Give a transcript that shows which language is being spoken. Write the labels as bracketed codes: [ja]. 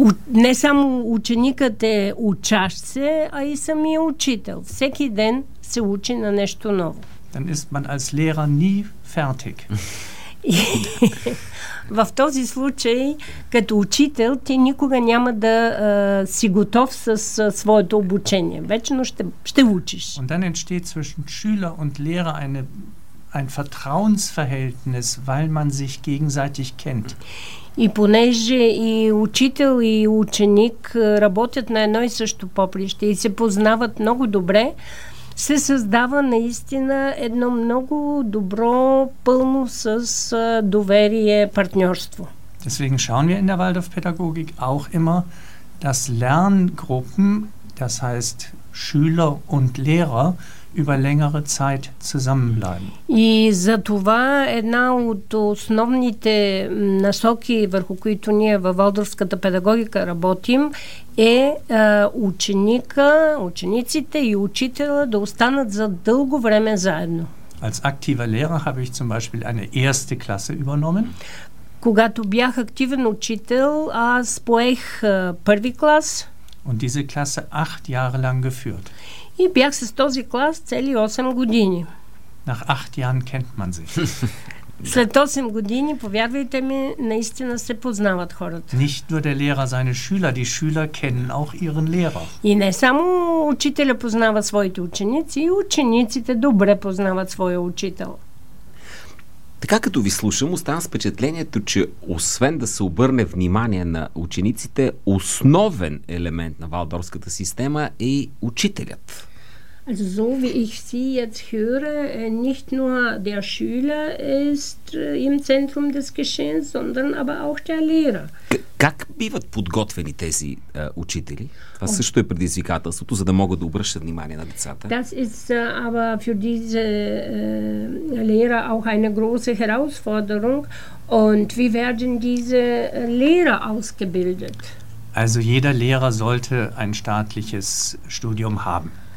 [bg] Не само ученикът е учащ се, а и самия учител. Всеки ден се учи на нещо ново. [de] Dann ist man als Lehrer nie fertig. [bg] В този случай, като учител, ти никога няма да си готов с своето обучение. Вечно ще учиш. [de] Und dann entsteht zwischen Schüler und Lehrer ein Vertrauensverhältnis, weil man sich gegenseitig kennt. [bg] И понеже и учител и ученик работят на едно и също поприще и се познават много добре, се създава наистина едно много добро, пълно с доверие партньорство. [de] Deswegen schauen wir in der Waldorfpädagogik auch immer, dass Lerngruppen, das heißt Schüler und Lehrer, über längere Zeit zusammenbleiben. [bg] И затова една от основните насоки, върху които ние във валдорфската педагогика работим, е ученика, учениците и учителя да останат за дълго време заедно. [de] Als aktiver Lehrer habe ich zum Beispiel eine erste Klasse übernommen. [bg] Когато бях активен учител, аз поех първи клас. [de] Und diese Klasse 8 Jahre lang geführt. [bg] И бях с този клас цели 8 години. [de] Nach 8 Jahren kennt man sich. [bg] След 8 години, повярвайте ми, наистина се познават хората. [de] Nicht nur der Lehrer seine Schüler, die Schüler kennen auch ihren Lehrer. [bg] И не само учителя познава своите ученици, и учениците добре познават своя учител. Така като ви слушам, оставам с впечатлението, че освен да се обърне внимание на учениците, основен елемент на валдорфската система е учителят. [de] Also so wie ich sie jetzt höre, nicht nur der Schüler ist im Zentrum des Geschehens, sondern aber auch der Lehrer. [bg] Как биват подготвени тези учители? Това също е предизвикателството, за да могат да обръщат внимание на децата. [de] Das ist aber für diese Lehrer auch eine große Herausforderung. Und wie werden diese Lehrer ausgebildet? Also jeder Lehrer sollte ein staatliches Studium haben.